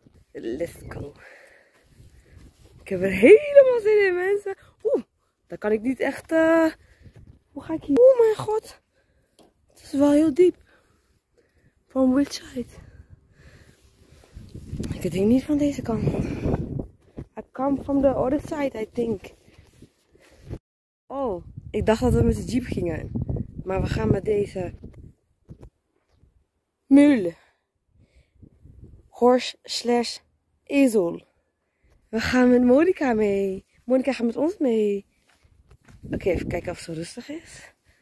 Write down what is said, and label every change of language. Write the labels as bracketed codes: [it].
[en] Let's go. [nl] Ik heb er helemaal zin in, mensen. Oeh, dan kan ik niet echt... Hoe ga ik hier? Oh mijn god. Het is wel heel diep. [en] From which side? [nl] Ik denk niet van deze kant. [en] I come from the other side, I think. [nl] Oh, ik dacht dat we met de jeep gingen. Maar we gaan met deze... [en] mule. Horse/ezel. [nl] We gaan met Monica mee. Monica gaat met ons mee. Oké, even kijken of ze rustig is.